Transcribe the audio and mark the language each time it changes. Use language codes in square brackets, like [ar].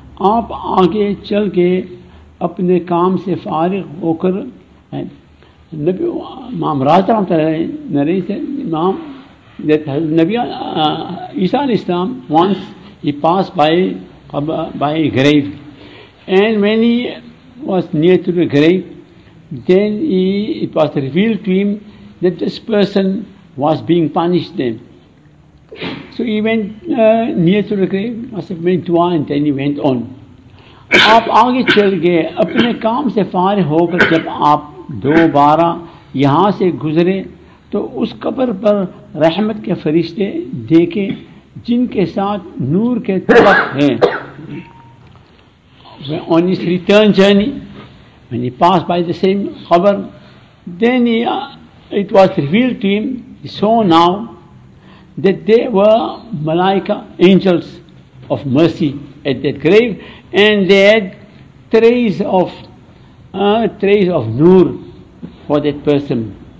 [ur] Aap aage chal ke apne kaam se farigh hokar [en] نبی امام راز رحمت اللہ علیہ امام نبی عیسیٰ علیہ السلام once he passed by grave, and when he was near to the grave, then it was revealed to him that this person was being punished then. So he went near to the grave, must have made dua, and then he went on. [ur] آپ آگے چل گئے اپنے کام سے فارغ ہو کر جب آپ دوبارہ یہاں سے گزرے تو اس قبر پر رحمت کے فرشتے دیکھے جن کے ساتھ نور کے طبق ہیں. [en] On his return journey, when he passed by the same قبر, then it was revealed to him, he saw now that they were malaika, angels of mercy at that grave, and they had trays of noor for that person.